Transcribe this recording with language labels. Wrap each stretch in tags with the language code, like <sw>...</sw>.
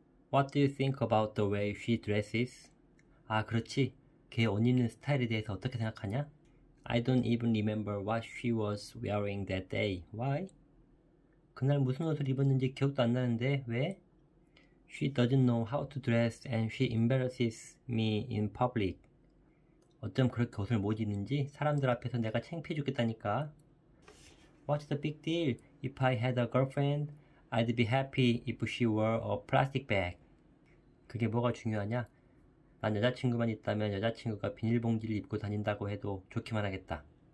<en>What do you think about the way she dresses?</en> <ko>아, 그렇지. 걔 옷 입는 스타일에 대해서 어떻게 생각하냐?</ko> <en>I don't even remember what she was wearing that day. Why?</en> <ko>그날 무슨 옷을 입었는지 기억도 안 나는데 왜?</ko> <en>She doesn't know how to dress and she embarrasses me in public.</en> <ko>어쩜 그렇게 옷을 못 입는지 사람들 앞에서 내가 창피해 죽겠다니까.</ko> <en>What's the big deal? If I had a girlfriend, I'd be happy if she wore a plastic bag. 그게 뭐가 중요하냐?</en> <ko>난 여자친구만 있다면 여자친구가 비닐봉지를 입고 다닌다고 해도 좋기만 하겠다.</ko>